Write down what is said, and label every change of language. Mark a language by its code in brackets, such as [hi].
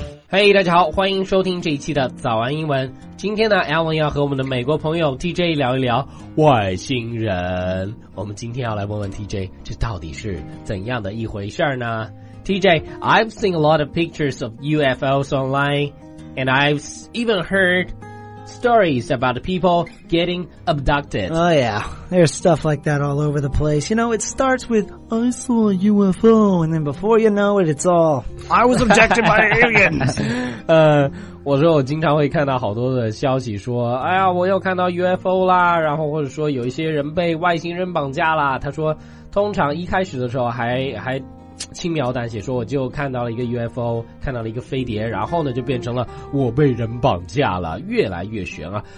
[zh] 嘿、hey, 大家好，欢迎收听这一期的早安英文。今天呢 Alan 要和我们的美国朋友 TJ 聊一聊外星人。我们今天要来问问 TJ， 这到底是怎样的一回事呢？ [en] TJ, I've seen a lot of pictures of UFOs online, and I've even heard stories about people getting abducted. Oh yeah, there's stuff like that all over the place. You know, it starts with, I saw a UFO, and then before you know it, it's all, I was abducted by aliens. [zh] 我说我经常会看到好多的消息说，哎呀，我又看到 UFO 啦，然后或者说有一些人被外星人绑架啦。他说，通常一开始的时候还轻描淡写说，我就看到了一个 UFO， 看到了一个飞碟，然后呢就变成了我被人绑架了，越来越悬啊。